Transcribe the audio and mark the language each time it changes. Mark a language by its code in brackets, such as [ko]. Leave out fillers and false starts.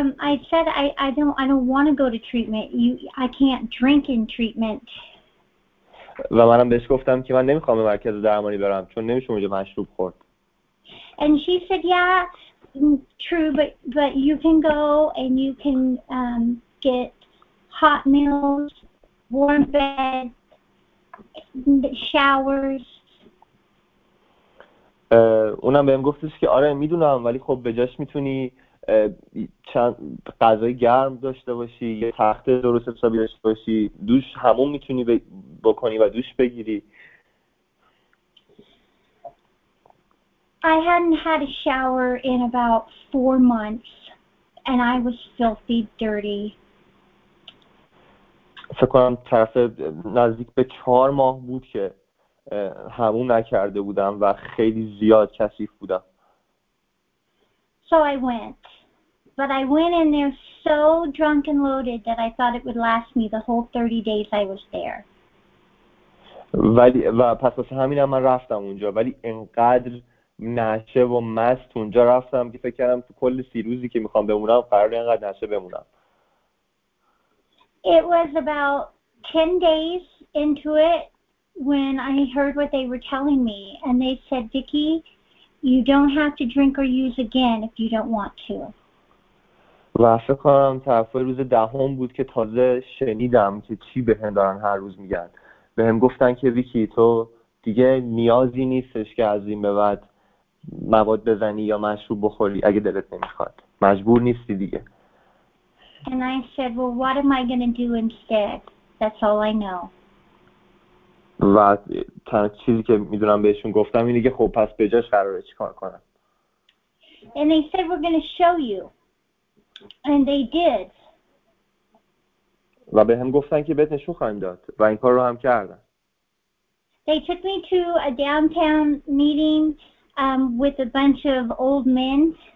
[en] I said I don't want to go to treatment. I can't drink in treatment. [fa] و منم بهش گفتم که من نمیخوام به مرکز درمانی برم چون نمیشه اونجا مشروب خورد. [en] And she said, yeah, true, but you can go and you can get hot meals, warm bed, showers. [fa] اونم بهم گفتش که آره میدونم، ولی خب به جاش میتونی چند غذای گرم داشته باشی، یه تخت درست حسابی داشته باشی، دوش همون میتونی بکنی و دوش بگیری. [en] I hadn't had a shower in about 4 months and I was filthy dirty. [fa] فکر کنم طرف نزدیک به 4 ماه بود که حموم نکرده بودم و خیلی زیاد کثیف بودم. [en] So I went. But I went in there so drunk and loaded that I thought it would last me the whole 30 days I was there. [fa] ولی و پس واسه همینم من رفتم اونجا، ولی انقدر نشه و مست اونجا رفتم که فکر کردم تو کل 30 روزی که میخوام بمونم قرار اینقدر نشه بمونم. [en] It was about 10 days into it when I heard what they were telling me and they said, Vicky, you don't have to drink or use again if you don't want to. [fa] و فکر کنم طرف روز 10 بود که تازه شنیدم که چی به هم دارن هر روز میگن. به هم گفتن که ویکی تو دیگه نیازی نیستش که از این به بعد مواد بزنی یا مشروب بخوری اگه دلت نمیخواد، مجبور نیستی دیگه. [en] And I said, well, what am I going to do instead? That's all I know. [fa] و تنها چیزی که میدونم بهشون گفتم اینه که خب پس به جاش قراره چی کار کنم. [en] And they said, we're going to show you. And they did. [fa] و به هم گفتن که بهت نشون خواهیم داد و این کار رو هم کردن. [en] They took me to a downtown meeting with a bunch of old men.